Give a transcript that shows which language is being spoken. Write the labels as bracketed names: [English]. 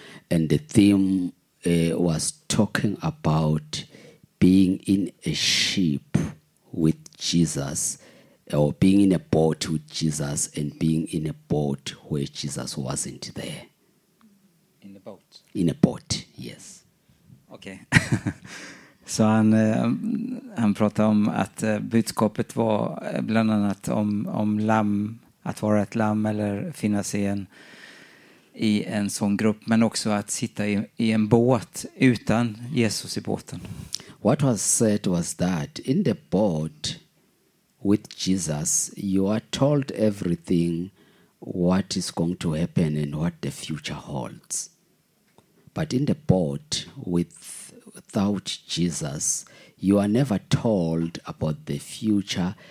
[English] And the theme was talking about being in a ship with Jesus, or being in a boat with Jesus, and being in a boat where Jesus wasn't there. In the boat. In a boat, yes. Okay. [Swedish] Så han pratade om att budskapet var bland annat om lamm, att vara ett lamm eller finnas i en sån grupp, men också att sitta i en båt utan Jesus i båten. [English] What was said was that in the boat with Jesus, you are told everything, what is going to happen and what the future holds. But in the boat with without Jesus, you are never told about the future.